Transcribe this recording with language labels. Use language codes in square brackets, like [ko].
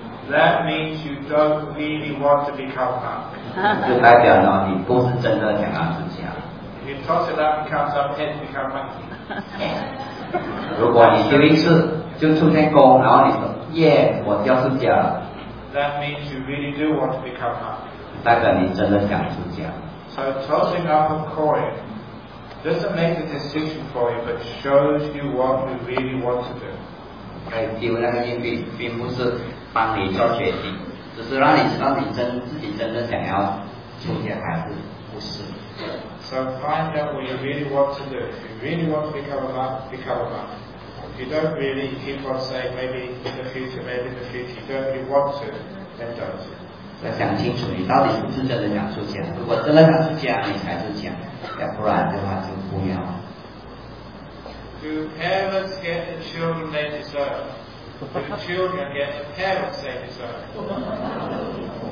[en] That means you don't really want to become monk. [zh] 就代表呢，你不是真的想要出家。 [en] If you toss it up and comes up, head to become monk. [zh] 如果你丢一次就出现功，然后你说 ，Yeah， 我要出家了。 [en] That means you really do want to become monk. [zh] 代表你真的想出家。 [en] So tossing up a coin doesn't make a decision for you, but shows you what you really want to do. [zh] Okay, 丢那个硬币并不是帮你做决定，只是让你自己真的想要出家还是不是。 [en] So find out what you really want to do. If you really want to become a monk, become a monk. If you don't really, you keep on saying maybe in the future, you don't really want to, then don't. [zh] 要想清楚，你到底是不是真的想出家？如果真的想出家，你才出家；要不然的话，就不要。 [en] Do parents get the children they deserve? Do children get the parents they deserve?